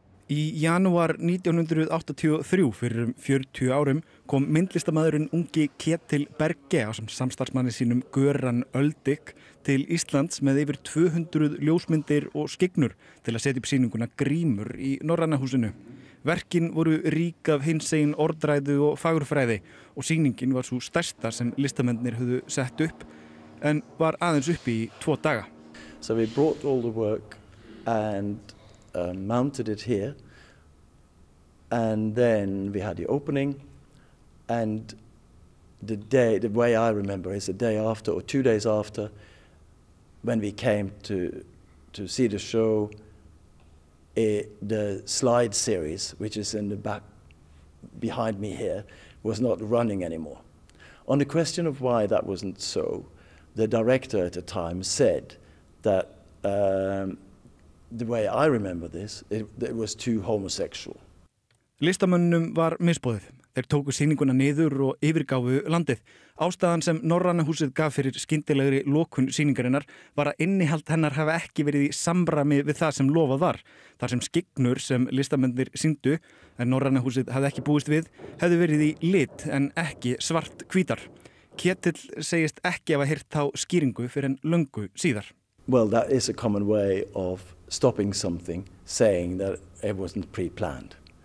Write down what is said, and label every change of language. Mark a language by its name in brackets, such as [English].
[Icelandic] Í janúar 1983 fyrir 40 árum kom myndlistamaðurinn ungi Ketil Berge á sem samstarfsmanni sínum Göran Öldik til Íslands með yfir 200 ljósmyndir og skygnur til að setja upp sýninguna Grímur í Norræna húsinu. Verkin voru rík af hinsegin orðræðu og fagurfræði og sýningin var svo stærsta sem listamennir höfðu sett upp en var aðeins uppi í 2 daga. [English] So we brought all the work and mounted it here and then we had the opening and the way I remember is the day after or 2 days after when we came to see the show the slide series which is in the back behind me here was not running anymore on the question of why that wasn't so the director at the time said that the way I remember this, it was too homosexual. [Icelandic] Listamönnum var misboðið. Þeir tóku sýninguna niður og yfirgáfu landið. Ástæðan sem Norræna húsið gaf fyrir skyndilegri lokun sýningarinnar var að innihald hennar hafa ekki verið í samræmi við það sem lofað var. Þar sem skygnur sem listamönnir sýndu, en Norræna húsið hafði ekki búist við, hefðu verið í lit en ekki svart hvítar. Ketill segist ekki hafa heyrt þá skýringu fyrir en löngu síðar. [English] Well, that is a common way of stopping something, saying that it wasn't pre-planned.